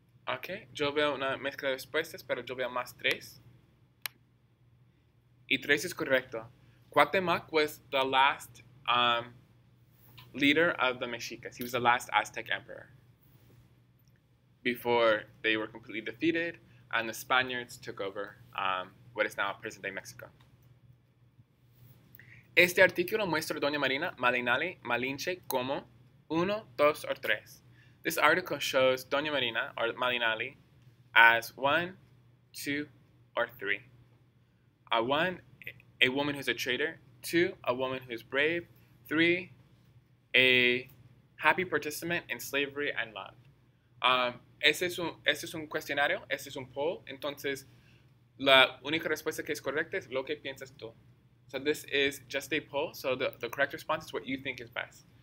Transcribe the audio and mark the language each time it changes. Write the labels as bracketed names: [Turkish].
[Spanish] Okay, yo veo una mezcla de respuestas, pero yo veo más 3. Y 3 es correcto. [English] Cuauhtémoc was the last leader of the Mexicas. He was the last Aztec emperor before they were completely defeated and the Spaniards took over what is now present-day Mexico. [Spanish] Este artículo muestra a Doña Marina Malinalli Malinche como 1, 2, or 3. [English] This article shows Doña Marina or Malinalli as 1, 2, or 3. A woman who's a traitor, 2, a woman who's brave, 3, a happy participant in slavery and love. [Spanish] Ese es un cuestionario, ese es un poll, entonces la única respuesta que es correcta es lo que piensas tú. [English] So this is just a poll, so the correct response is what you think is best.